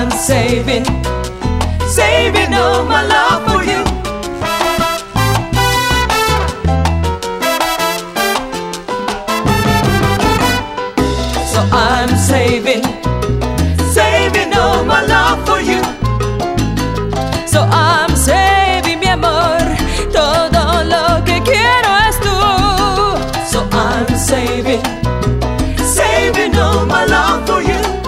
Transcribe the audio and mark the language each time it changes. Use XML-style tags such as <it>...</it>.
<en>Saving, saving all my love for you. So I'm saving, saving all my love for you. So I'm saving,</en> <es>mi amor, todo lo que quiero es tú.</es> <en>So I'm saving, saving all my love for you.</en>